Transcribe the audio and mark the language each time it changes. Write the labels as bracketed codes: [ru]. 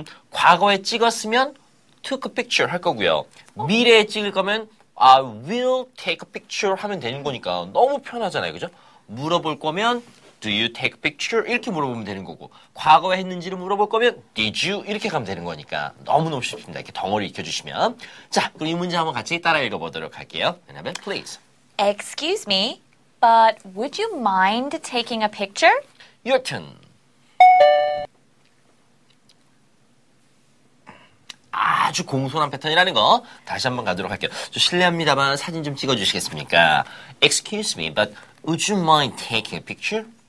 [ko] 과거에 찍었으면 [en] took a picture [ko] 할 거고요. 미래에 찍을 거면 [en] I will take a picture [ko] 하면 되는 거니까 너무 편하잖아요. 그죠? 물어볼 거면 [en] Do you take a picture? [ko] 이렇게 물어보면 되는 거고 과거에 했는지를 물어볼 거면 [en] Did you? [ko] 이렇게 가면 되는 거니까 너무너무 쉽습니다. 이렇게 덩어리 익혀주시면 자, 그럼 이 문제 한번 같이 따라 읽어보도록 할게요. 왜냐면 [en] Please Excuse me, but would you mind taking a picture? Your turn. [ko] 아주 공손한 패턴이라는 거 다시 한번 가도록 할게요. 저 실례합니다만 사진 좀 찍어주시겠습니까? [en] Excuse me, but would you mind taking a picture?